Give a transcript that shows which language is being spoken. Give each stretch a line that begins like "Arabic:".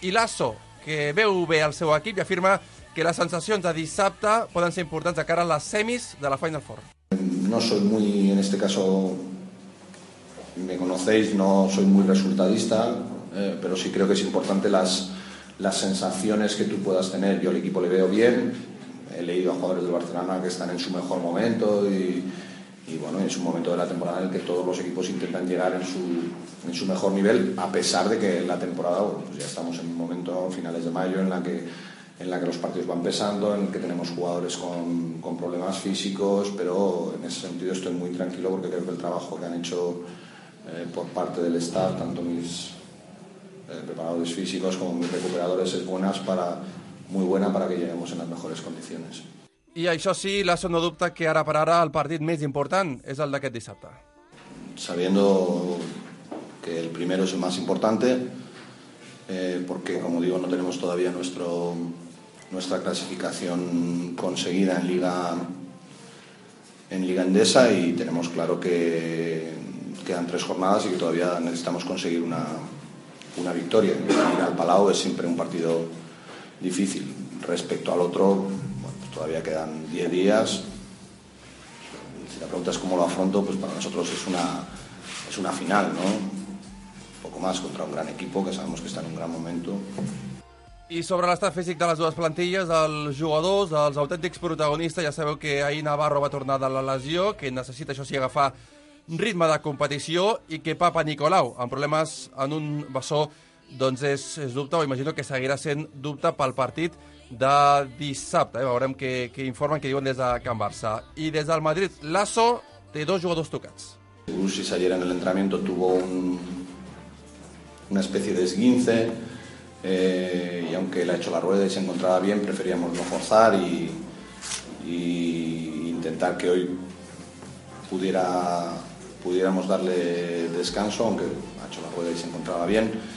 Catalan: I Lasso, que veu bé el seu equip i afirma que les sensacions de dissabte poden ser importants de cara a les semis de la Final Four.
Spanish: No soy muy, en este caso me conocéis, no soy muy resultadista, pero sí creo que es importante las sensaciones que tú puedas tener. Yo al equipo le veo bien, he leído a jugadores del Barcelona que están en su mejor momento y bueno, es un momento de la temporada en el que todos los equipos intentan llegar en su mejor nivel, a pesar de que la temporada, bueno, pues ya estamos en un momento, finales de mayo, en la que los partidos van pesando, en el que tenemos jugadores con problemas físicos, pero en ese sentido estoy muy tranquilo porque creo que el trabajo que han hecho por parte del staff, tanto mis preparadores físicos como mis recuperadores, es muy buena para que lleguemos en las mejores condiciones.
Catalan: I això sí, Lasso no dubta que ara per ara el partit més important és el d'aquest dissabte.
Spanish: Sabiendo que el primero es el más importante, porque como digo, no tenemos todavía nuestra clasificación conseguida en Liga Endesa, y tenemos claro que quedan tres jornadas y que todavía necesitamos conseguir una victoria. Ir al Palau es siempre un partido difícil. Respecto al otro, todavía quedan 10 días. Si la pregunta es cómo lo afronto, pues para nosotros es una final, ¿no? Un poco más contra un gran equipo que sabemos que está en un gran momento.
Catalan: I sobre l'estat físic de les dues plantilles, dels jugadors, dels autèntics protagonistes, ja sabeu que ahir Navarro va tornar de la lesió, que necessita, això sí, agafar ritme de competició, i que Papa Nicolau, amb problemes en un bessó, doncs és dubte, o imagino que seguirà sent dubte pel partit de dissabte. Veurem què informen, què diuen des de Can Barça. I des del Madrid, Lasso té dos jugadors tocats.
Spanish: Ursis ayer en el entrenamiento tuvo una especie de esguince, y aunque la ha hecho la rueda y se encontraba bien, preferíamos no forzar y intentar que hoy pudiéramos darle descanso, aunque ha hecho la rueda y se encontraba bien.